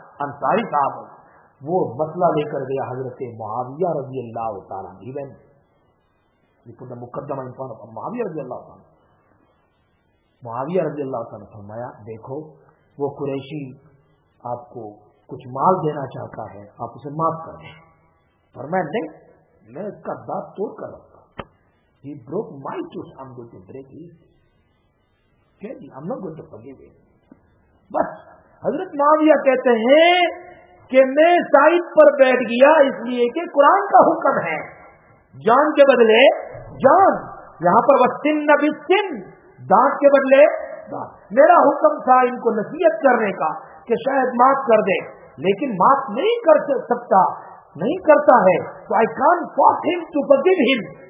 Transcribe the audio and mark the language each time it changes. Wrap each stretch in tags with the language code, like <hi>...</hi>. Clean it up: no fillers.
<ur>انصاری صاحب وہ مسئلہ لے کر گیا حضرت معاویہ رضی اللہ تعالیٰ عنہ, مقدمہ انسان معاویہ رضی اللہ تعالیٰ. معاویہ رضی اللہ تعالیٰ فرمایا, دیکھو وہ قریشی آپ کو کچھ مال دینا چاہتا ہے, آپ اسے معاف کر دیں. فرمایا نہیں, میں اس کا دانت توڑ کر رکھتا ہوں.</ur> <en>He broke my tooth, I'm going to break his. کہہ دی, I'm not going to forgive him.</en> <ur>بس حضرت معاویہ کہتے ہیں کہ میں سائد پر بیٹھ گیا اس لیے کہ قرآن کا حکم ہے جان کے بدلے جان, یہاں پر وسن نبی سن, دانت کے بدلے دانت. میرا حکم تھا ان کو نصیحت کرنے کا کہ شاید معاف کر دے, لیکن معاف نہیں کر سکتا, نہیں کرتا ہے, تو</ur> <en>I can't force him to forgive him.</en>